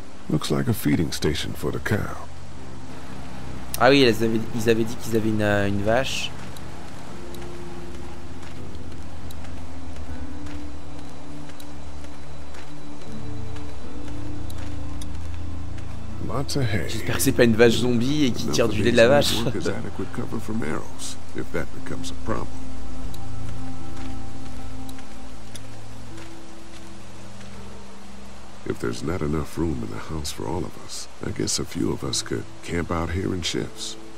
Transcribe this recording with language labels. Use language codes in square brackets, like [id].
[en] Looks like a feeding station for the cow. [fr] Ah oui, ils avaient dit qu'ils avaient une vache. [en] Lots of hay. [fr] J'espère que c'est pas une vache zombie et qui tire du lait de la vache. [en] Is adequate cover from arrows, if that becomes a problem. If there's not enough room in the house for all of us, I guess a few of us could camp out here in shifts.